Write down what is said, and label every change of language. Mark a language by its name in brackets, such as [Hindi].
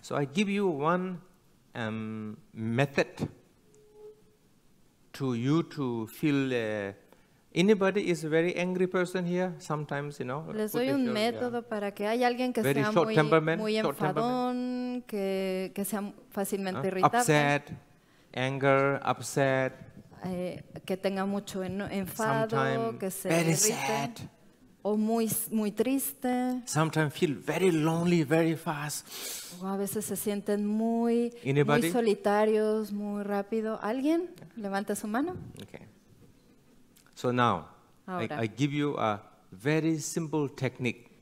[English] So I give you one method to you to feel anybody is a very angry person here sometimes, you know. [Spanish] Les doy un método para que haya alguien que sea muy enfadón, que sea fácilmente irritable. [English] Upset, anger, upset. [Spanish] Que tenga mucho enfado, que se irrite. O muy, muy triste. [English] Sometimes feel very lonely, very fast. [Spanish] O a veces se sienten muy, muy solitarios, muy rápido. ¿Alguien? Levanta su mano. [English] So now, I give you a very simple technique.